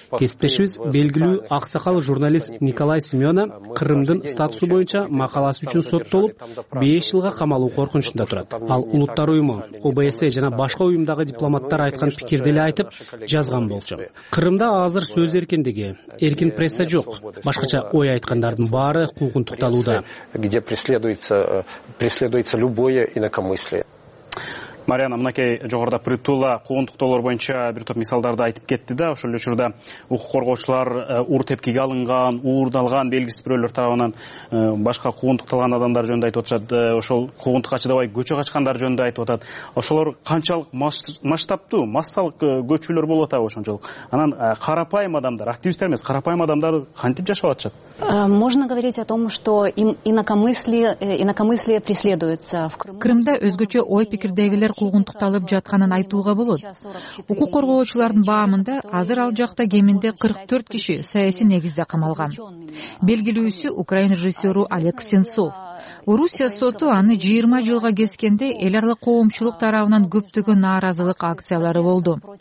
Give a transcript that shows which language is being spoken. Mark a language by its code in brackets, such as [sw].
[ky] Кесиптешибиз белгилүү аксакал журналист Николай Семёна Кырымдын статусу боюнча макаласы үчүн соттолуп 5 жылга камалуу коркунучунда турат. Ал улуттар уюму, ОБСЕ жана башка уюмдагы дипломаттар айткан пикирди эле айтып жазган болчу. Кырымда азыр сөз эркиндиги, эркин пресса жок. Башкача ой айткандардын баары куугунтукталууда. [ru] Где преследуется любое инакомыслие. [ky] Марьяна, мынакей жогоруда Притула куугунтуктоолор боюнча бир топ мисалдарды айтып кетти да, ошол эле учурда укук коргоочулар ур тепкиге алынган, уурдалган белгисиз бирөөлөр тарабынан башка куугунтукталган адамдар жөнүндө айтып атышат, ошол куугунтукка чыдабай көчө качкандар жөнүндө айтып атат. Ошолор канчалык масштабдуу, массалык көчүүлөр болуп атабы ошончолук? Анан карапайым адамдар, активисттер эмес, карапайым адамдар кантип жашап атышат? [ru] Можно говорить о том, что инакомыслие преследуется в Крыму. [ky] Кырымда өзгөчө ой пикирдеги куугунтукталып жатканын айтууга болот. Укук коргоочулардын баамында азыр ал жакта кеминде 44 киши саясий негизде камалган. Белгилүүсү украин режиссеру Олег Сенцов. Орусия соту аны 20 жылга кескенде эл аралык коомчулук тарабынан көптөгөн нааразылык акциялары болду.